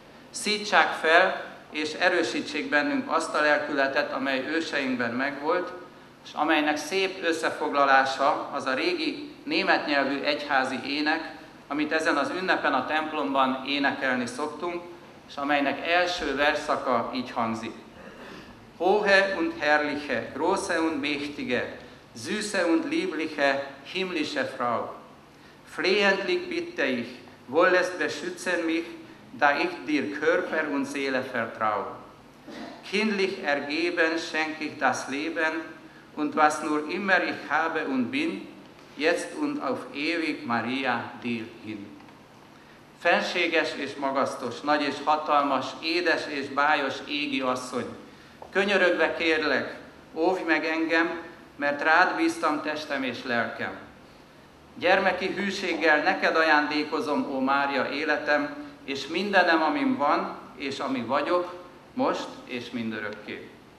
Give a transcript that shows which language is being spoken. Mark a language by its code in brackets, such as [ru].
[hu] Szítsák fel és erősítsék bennünk azt a lelkületet, amely őseinkben megvolt, és amelynek szép összefoglalása az a régi német nyelvű egyházi ének, amit ezen az ünnepen a templomban énekelni szoktunk, és amelynek első versszaka így hangzik. [de] Hohe und herrliche, große und mächtige, süße und liebliche, himmlische Frau. Flehentlich bitte ich, wollest beschützen mich, da ich dir Körper und Seele vertrau. Kindlich ergeben schenk ich das Leben, und was nur immer ich habe und bin, jetzt und auf ewig Maria dir hin. [hu] Fenséges és magasztos, nagy és hatalmas, édes és bájos égi asszony, könyörögve kérlek, óvj meg engem, mert rád bíztam testem és lelkem. Gyermeki hűséggel neked ajándékozom, ó Mária, életem, és mindenem, amim van, és ami vagyok, most és mindörökké.